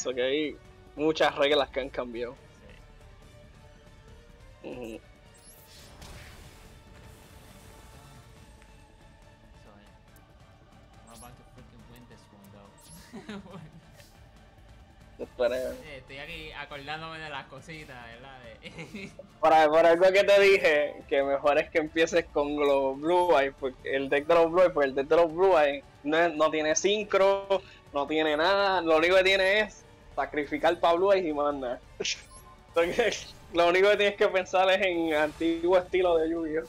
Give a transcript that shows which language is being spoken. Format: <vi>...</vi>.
<es>So que hay muchas reglas que han cambiado. Sí. Uh-huh.</es> <en>So, yeah. I'm about to freaking win this one, though.</en> <es>Estoy aquí acordándome de las cositas, ¿verdad? Por algo que te dije, que mejor es que empieces con los Blue Eyes, porque el deck de los Blue Eyes, no tiene sincro, no tiene nada, lo único que tiene es sacrificar para Blue Eyes y manda. Entonces, lo único que tienes que pensar es en antiguo estilo de Yu-Gi-Oh.</es>